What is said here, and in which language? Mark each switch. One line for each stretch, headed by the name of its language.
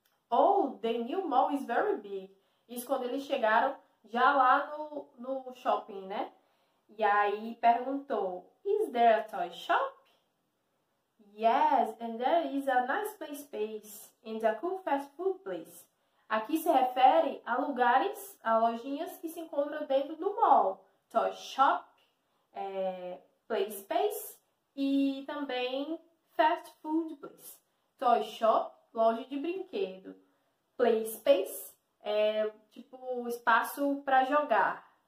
English: Oh, the new mall is very big.
Portuguese: Isso quando eles chegaram já lá no shopping, né? E aí perguntou:
English: Is there a toy shop? Yes, and there is a nice play space and a cool fast food place.
Portuguese: Aqui se refere a lugares, a lojinhas que se encontram dentro do mall.
English: Toy shop, Play Space
Portuguese: e também
English: Fast Food Place.
Portuguese: Toy Shop, loja de brinquedo. Play Space é tipo espaço para jogar.